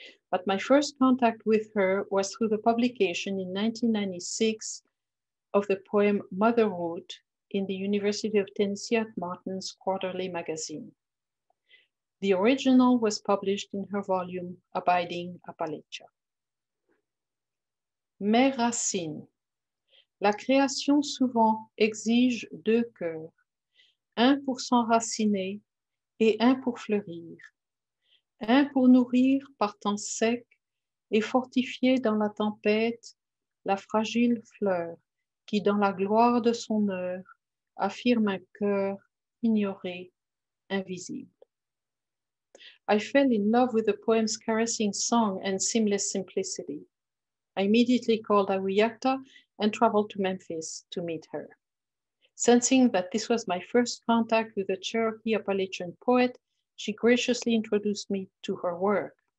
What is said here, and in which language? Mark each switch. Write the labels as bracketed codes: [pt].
[en] But my first contact with her was through the publication in 1996 of the poem Motherhood in the University of Tennessee at Martin's quarterly magazine. The original was published in her volume, Abiding Appalachia. [fr] Mes racines. La création souvent exige deux cœurs, un pour s'enraciner et un pour fleurir, un pour nourrir par temps sec et fortifier dans la tempête la fragile fleur qui, dans la gloire de son heure, affirme un cœur ignoré, invisible. [en] I fell in love with the poem's caressing song and seamless simplicity. I immediately called AWIACTA and traveled to Memphis to meet her. Sensing that this was my first contact with a Cherokee Appalachian poet, she graciously introduced me to her work.